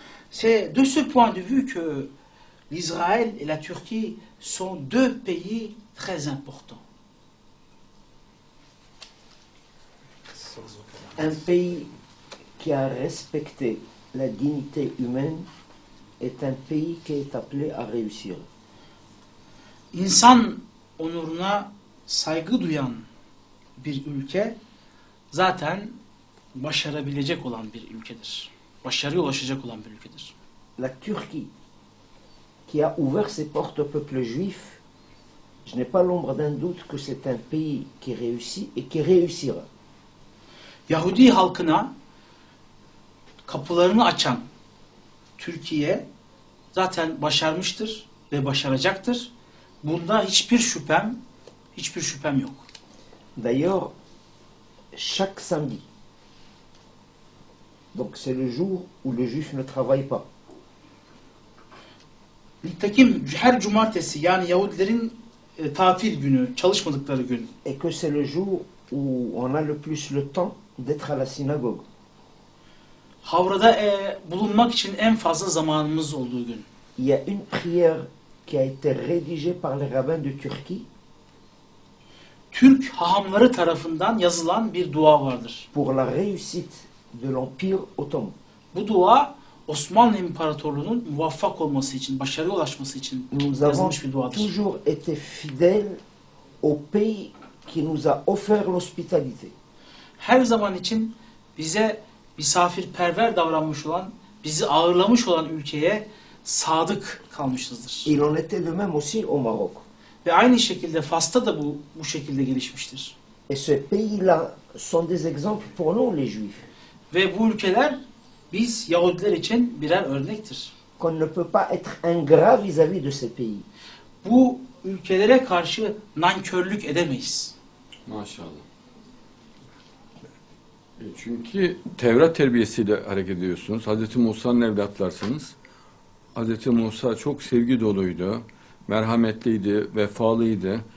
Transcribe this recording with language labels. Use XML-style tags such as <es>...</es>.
<fr>C'est de ce point de vue que l'Israël et la Turquie sont deux pays très importants. Un pays qui a respecté la dignité humaine est un pays qui est appelé à réussir.</fr> <tr>İnsan onuruna saygı duyan bir ülke zaten başarabilecek olan bir ülkedir. Başarıya ulaşacak olan bir ülkedir.</tr> <fr>La Turquie qui a ouvert ses portes au peuple juif, je n'ai pas l'ombre d'un doute que c'est un pays qui réussit et qui réussira.</fr> <tr>Yahudi halkına kapılarını açan Türkiye zaten başarmıştır ve başaracaktır. Bunda hiçbir şüphem yok.</tr> <fr>D'ailleurs, chaque samedi, donc c'est le jour où le juif ne travaille pas.</fr> <tr>Nitekim her cumartesi, yani Yahudilerin tatil günü, çalışmadıkları gün.</tr> <fr>Et que c'est le jour où on a le plus le temps d'être à la synagogue.</fr> <tr>Havra'da bulunmak için en fazla zamanımız olduğu gün.</tr> <fr>Il y a une prière qui a été rédigée par les rabbins de Turquie.</fr> <tr>Türk hahamları tarafından yazılan bir dua vardır.</tr> <fr>Pour la réussite de l'Empire Ottoman.</fr> <tr>Bu dua Osmanlı İmparatorluğu'nun muvaffak olması için, başarıya ulaşması için</tr> <fr>nous</fr> <tr>yazılmış bir duadır.</tr> <fr>Nous avons toujours été fidèles au pays qui nous a offert l'hospitalité.</fr> <tr>Her zaman için bize misafirperver davranmış olan, bizi ağırlamış olan ülkeye sadık kalmışızdır.</tr> <fr>Il en était de même aussi au Maroc.</fr> <tr>Ve aynı şekilde Fas'ta da bu şekilde gelişmiştir.</tr> <fr>Et ce pays-là sont des exemples pour nous les Juifs.</fr> <tr>Ve bu ülkeler biz Yahudiler için birer örnektir.</tr> <fr>Qu'on ne peut pas être ingrat vis-à-vis de ces pays.</fr> <tr>Bu ülkelere karşı nankörlük edemeyiz. Maşallah. Çünkü Tevrat terbiyesiyle hareket ediyorsunuz. Hazreti Musa'nın evlatlarsınız. Hazreti Musa çok sevgi doluydu, merhametliydi, vefalıydı.</tr>